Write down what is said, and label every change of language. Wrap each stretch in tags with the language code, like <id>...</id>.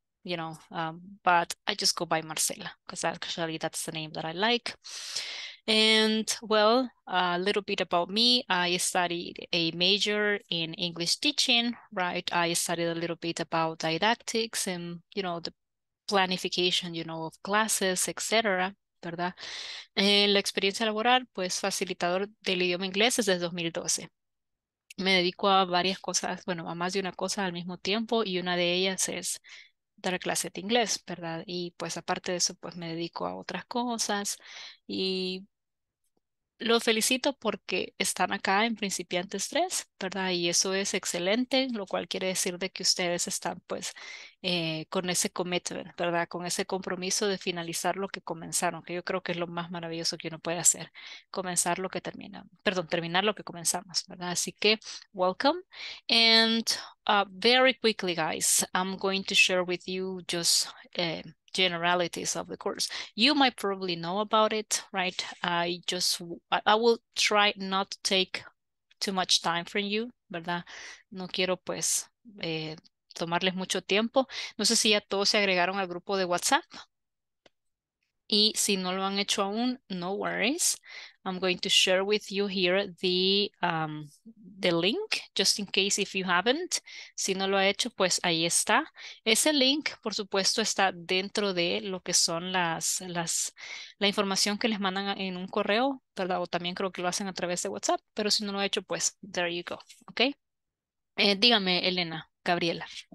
<en>You know, but I just go by Marcela because actually that's the name that I like. And well, a little bit about me. I studied a major in English teaching, right? I studied a little bit about didactics and, you know, the planification, you know, of classes, etc., ¿verdad?</en> <es>La experiencia laboral, pues, facilitador del idioma inglés desde 2012. Me dedico a varias cosas, bueno, a más de una cosa al mismo tiempo, y una de ellas es dar clase de inglés, ¿verdad? Y pues aparte de eso, pues me dedico a otras cosas y lo felicito porque están acá en principiantes 3, ¿verdad? Y eso es excelente, lo cual quiere decir de que ustedes están pues con ese commitment, ¿verdad? Con ese compromiso de finalizar lo que comenzaron, que yo creo que es lo más maravilloso que uno puede hacer, comenzar lo que termina, perdón, terminar lo que comenzamos, ¿verdad? Así que, welcome.</es> <en>And very quickly, guys, I'm going to share with you just generalities of the course. You might probably know about it, right? I will try not to take too much time from you, ¿verdad?</en> <es>No quiero pues tomarles mucho tiempo. No sé si ya todos se agregaron al grupo de WhatsApp. Y si no lo han hecho aún,</es> <en>no worries.</en> <es>I'm going to share with you here the link, just in case if you haven't. Si no lo ha hecho, pues ahí está. Ese link, por supuesto, está dentro de lo que son la información que les mandan en un correo, ¿verdad? O también creo que lo hacen a través de WhatsApp. Pero si no lo ha hecho, pues</es> <en>there you go,</en> <es>¿ok? Dígame, Elena, Gabriela.</es>